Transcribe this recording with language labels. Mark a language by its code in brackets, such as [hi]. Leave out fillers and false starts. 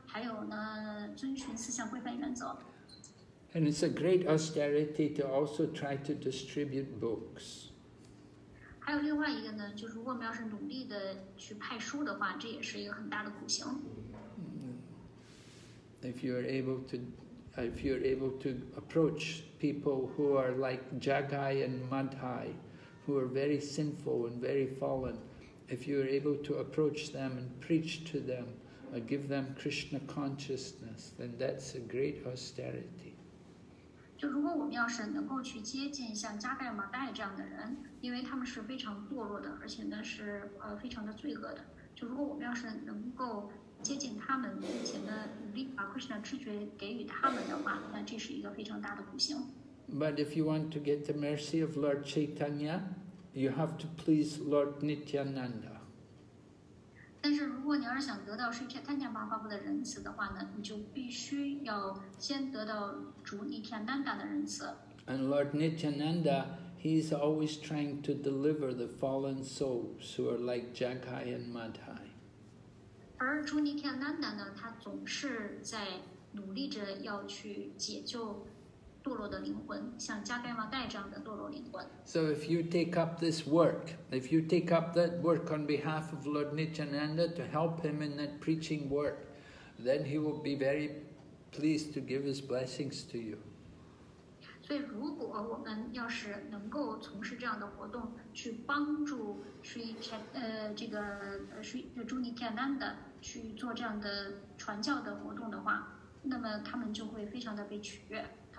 [zh] 在卡利年代的苦行呢，是指我们念诵圣名，以及呢，就是念诵16圈，还有呢，遵循四项规范原则。 [en] And it's a great austerity to also try to distribute books. [zh] 还有另外一个呢，就是如果我们要是努力的去派书的话，这也是一个很大的苦行。 [en] If you're able to approach people who are like Jagai and Madhai, who are very sinful and very fallen, if you are able to approach them and preach to them, or give them Krishna consciousness, then that's a great austerity. [zh] 就如果我们要是能够去接近像加盖尔马代这样的人，因为他们是非常堕落的，而且呢是非常的罪恶的。就如果我们要是能够接近他们，并且呢努力把Krishna知觉给予他们的话，那这是一个非常大的苦行。 [en] But if you want to get the mercy of Lord Chaitanya, you have to please Lord Nityananda. [zh] 但是如果你要是想得到 Sri Chaitanya Mahaprabhu 的仁慈的话呢，你就必须要先得到主 Nityananda 的仁慈。 [en] And Lord Nityananda, he is always trying to deliver the fallen souls who are like Jaggai and Madhai. [zh] 而主 Nityananda 呢，他总是在努力着要去解救堕落的灵魂，像加盖马代这样的堕落灵魂。 [en] So if you take up this work, if you take up that work on behalf of Lord Nityananda to help him in that preaching work, then he will be very pleased to give his blessings to you. [zh] 所以如果我们要是能够从事这样的活动，去帮助朱尼天南的去做这样的传教的活动的话，那么他们就会非常的被取悦。